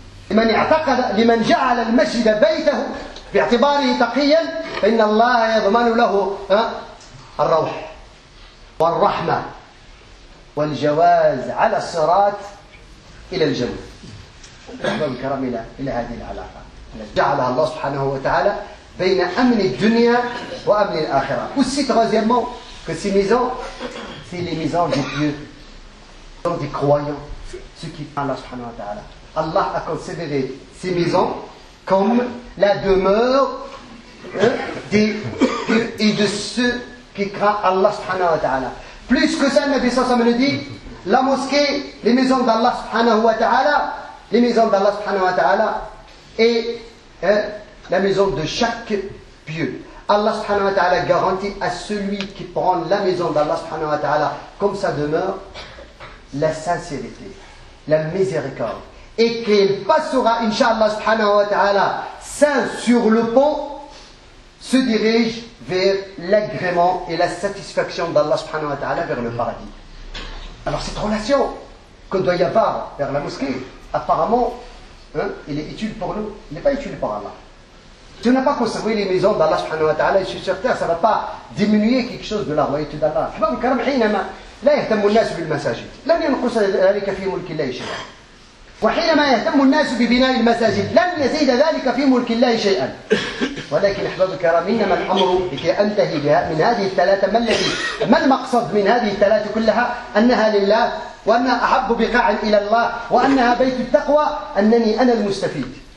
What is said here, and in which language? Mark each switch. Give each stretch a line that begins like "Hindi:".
Arabic: لمن اعتقد لمن جعل المسجد بيته باعتباره تقيا فإن الله يضمن له الروح والرحمة والجواز على الصراط إلى الجنة رحمة الكرم إلى هذه العلاقة جعلها الله سبحانه وتعالى بين أمن الدنيا وأمن الآخرة
French: aussi troisièmement que ces maisons c'est les maisons des pieux sont des croyants ceux qui font Allah سبحانه وتعالى Allah a considéré ces maisons comme la demeure des pieux et de ceux qui craint Allah subhanahu wa ta'ala. Plus que ça, le Nabi sallam le dit, la mosquée, les maisons d'Allah subhanahu wa ta'ala, les maisons d'Allah subhanahu wa ta'ala, et la maison de chaque pieux. Allah subhanahu wa ta'ala garantit à celui qui prend la maison d'Allah subhanahu wa ta'ala comme sa demeure, la sincérité, la miséricorde, et qu'il passera, incha'Allah subhanahu wa ta'ala, saint sur le pont, se dirige vers l'agrément et la satisfaction d'Allah subhanahu wa ta'ala vers le paradis. Alors cette relation que doit y avoir vers la mosquée, apparemment, il est utile pour nous, il n'est pas utile pour Allah. Si on n'a pas conservé les maisons d'Allah subhanahu wa ta'ala sur terre, ça ne va pas diminuer quelque chose de la royauté d'Allah.
Arabic: لا يهتم الناس بالمساجد لن ينقص ذلك في ملك الله شيئا وحينما يهتم الناس ببناء المساجد لن يزيد ذلك في ملك الله شيئا ولكن احفظ الكرام انما الامر لكي انتهي بها من هذه الثلاثه ما المقصد من هذه الثلاثه كلها انها لله وانها احب بقاع الى الله وانها بيت التقوى انني انا المستفيد